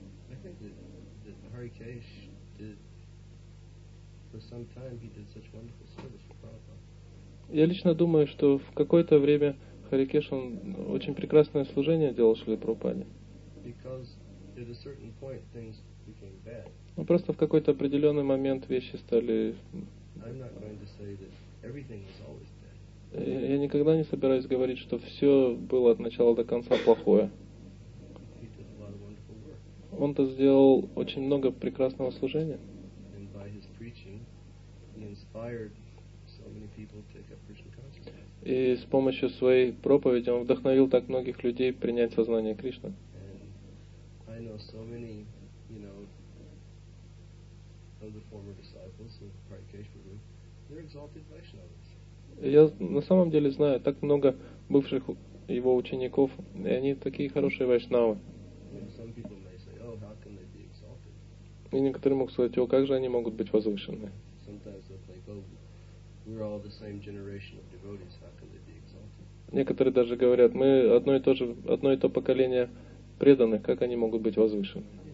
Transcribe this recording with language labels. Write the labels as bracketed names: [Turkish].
[English] I think that Hare Krishna did for some time. He did such wonderful service for Prabhupada. [Russian] Я лично думаю, что в какое-то время Hare Krishna очень прекрасное служение делал Шриле Прабхупаде. [English] Because at a certain point things became bad. [Russian] Ну просто в какой-то определенный момент вещи стали. [English] I'm not going to say that everything was always bad. [Russian] Я никогда не собираюсь говорить, что все было от начала до конца плохое. [English] He did a lot of wonderful work. [Russian] Он-то сделал очень много прекрасного служения. [English] And by his preaching, he inspired so many people to take up Krishna consciousness. [Russian] И с помощью своей проповеди он вдохновил так многих людей принять сознание Кришны. [English] I know so many, you know, of the former disciples of Hare Krishna Prabhu, they're exalted Vaishnavas. [Russian] Я на самом деле знаю так много бывших его учеников, и они такие хорошие вайшнавы. [English] Some people may say, oh, how can they be exalted? [Russian] И некоторые могут сказать, о, как же они могут быть возвышены? [English] Sometimes they'll think, oh, we're all the same generation of devotees, how can they be exalted? [Russian] Некоторые даже говорят, мы одно и то поколение преданных, как они могут быть возвышены?